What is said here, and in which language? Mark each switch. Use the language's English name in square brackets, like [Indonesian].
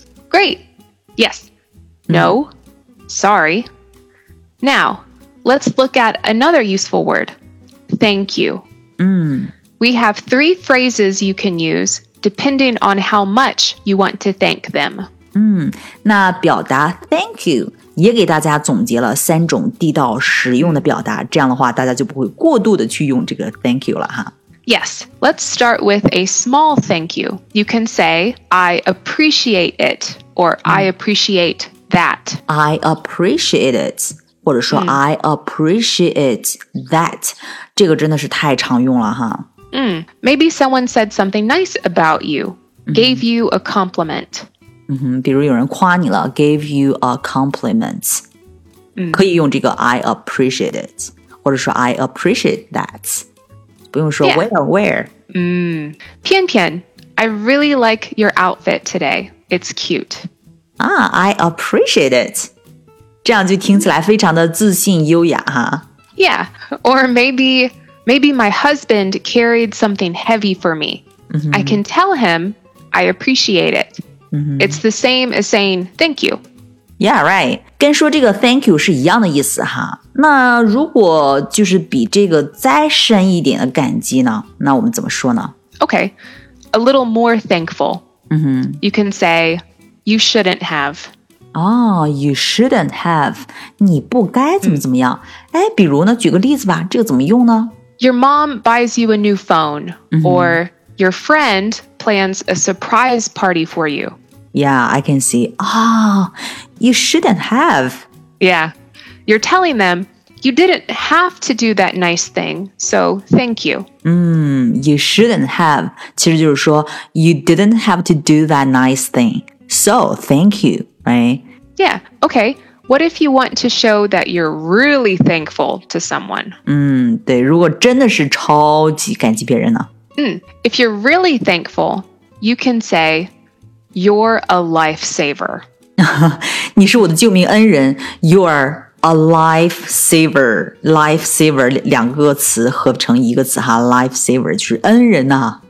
[English] Great. Yes. No. Sorry. Now, let's look at another useful word. Thank you. We have three phrases you can use depending on how much you want to thank them. [Chinese] 那表达 thank you. 也给大家总结了三种地道实用的表达，这样的话大家就不会过度的去用这个 thank you 了哈。 [English] Yes, let's start with a small thank you. You can say, I appreciate it, or I appreciate that. I appreciate it, [Chinese] 或者说、 [English] I appreciate that. [Chinese] 这个真的是太常用了哈。 [English] Maybe someone said something nice about you, gave you a compliment. [Chinese] 比如有人夸你了 [English] gave you a compliment、 [Chinese] 可以用这个 [English] I appreciate it [Chinese] 或者说 [English] I appreciate that [Chinese] 不用说 where [English] 翩翩 I really like your outfit today It's cute I appreciate it [Chinese] 这样就听起来非常的自信优雅、 [English] Yeah Or maybe Maybe my husband carried something heavy for me. Mm-hmm. I can tell him I appreciate it. Mm-hmm. It's the same as saying thank you. Yeah, right. [Chinese] 跟说这个 thank you 是一样的意思哈。那如果就是比这个再深一点的感激呢？那我们怎么说呢？ [English] Okay, a little more thankful.、 Mm-hmm. You can say you shouldn't have. Oh, you shouldn't have. [Chinese] 你不该怎么怎么样、 [English] mm-hmm. [Chinese] 哎，比如呢，举个例子吧，这个怎么用呢？ [English] Your mom buys you a new phone、mm-hmm. or your friend plans a surprise party for you. Yeah, I can see. Oh, you shouldn't have. Yeah, you're telling them you didn't have to do that nice thing, so thank you.、 Mm, you shouldn't have. [Chinese] 其实就是说 [English] you didn't have to do that nice thing, so thank you, right? Yeah, okay. What if you want to show that you're really thankful to someone? [Chinese] 嗯，对，如果真的是超级感激别人呢？ [English] 嗯，if you're really thankful, you can say, you're a lifesaver. [Chinese] 你是我的救命恩人 [English] you're a lifesaver. [Chinese] Lifesaver, 两个词合成一个词哈 lifesaver 就是恩人啊。